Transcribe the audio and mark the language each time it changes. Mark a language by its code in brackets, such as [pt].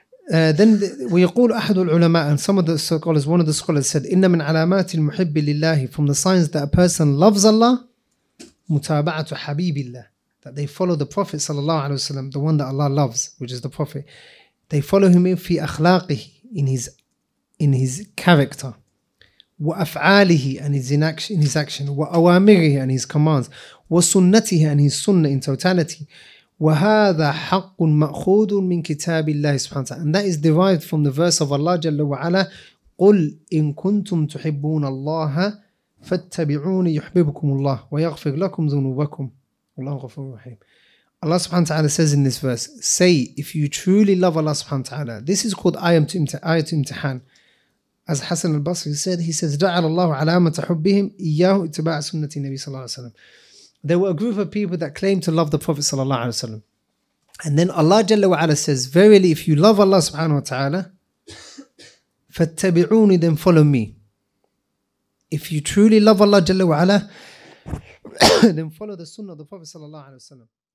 [en] Then [ar] ويقول أحد العلماء, [en] and some of the scholars, one of the scholars said, [ar] إن من علامات المحب لله, [en] from the signs that a person loves Allah, [ar] متابعة حبيب الله, [en] that they follow the Prophet صلى الله عليه وسلم, the one that Allah loves, which is the Prophet. They follow him [ar] في أخلاقه, [en] in his character, وأفعاله, and in his action, وأوامره, and his commands, وسنته, and his sunnah in totality. [ar] وَهَذَا حَقٌ مَأْخُودٌ مِّن كِتَابِ اللَّهِ سُبْحَانَهُ وَتَعَالَى. [en] And that is derived from the verse of Allah [ar] جل وعلا, قُلْ إِن كُنْتُمْ تُحِبُّونَ اللَّهَ فَاتَّبِعُونِ يُحْبِبُكُمُ اللَّهُ وَيَغْفِرْ لَكُمْ ذُنُوبَكُمْ وَاللَّهُ غَفُورٌ رَحِيمٌ. [en] Allah سبحانه وتعالى says in this verse, say, if you truly love Allah سبحانه وتعالى, this is called ayat imtihan. As Hassan al-Basri said, he says, [ar] جَعَلَ اللَّهُ عَلَامَةَ حُبِّهِمْ إِيَّاهُ اتِّبَاعَ سُنَّةِ النَّبِيِّ صَلَّى اللَّهُ عَلَيْهِ وَسَلَّمَ. [en] There were a group of people that claimed to love the Prophet sallallahu alaihi wasallam. And then Allah jalla wa ala says, verily, if you love Allah subhanahu wa ta'ala, fattabi'uni, then follow me. If you truly love Allah jalla wa ala, then follow the sunnah of the Prophet sallallahu alaihi wasallam.